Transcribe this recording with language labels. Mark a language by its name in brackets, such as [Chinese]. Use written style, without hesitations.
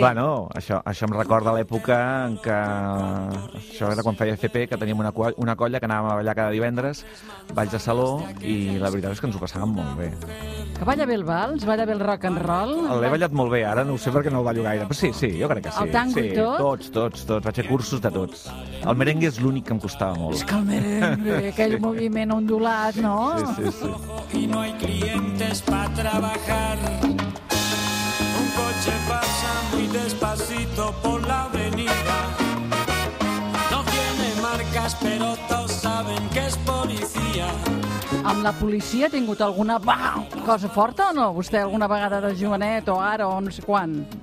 [Catalan] Bueno, això em recorda l'època en què... Això era quan feia FP, que teníem una colla que anàvem a ballar cada divendres, balls de saló, i la veritat és que ens ho passàvem molt bé. Que balla bé el vals, balla bé el rock and roll. L'he ballat molt bé, ara no ho sé perquè no el ballo gaire, però sí, jo crec que sí. El tango sí, i tot? Tots. Vaig fer cursos de tots. El merengue és l'únic que em costava molt. És que el merengue, aquell sí. Moviment ondulat, no? Sí. [Spanish] I no hay clientes pa trabajar. Un coche pasa muy despacito por la avenida. No tiene marcas, pero todos saben que es policía. [Catalan] Amb la policia ha tingut alguna cosa forta o no? Vostè alguna vegada de jovenet o ara o no sé quan?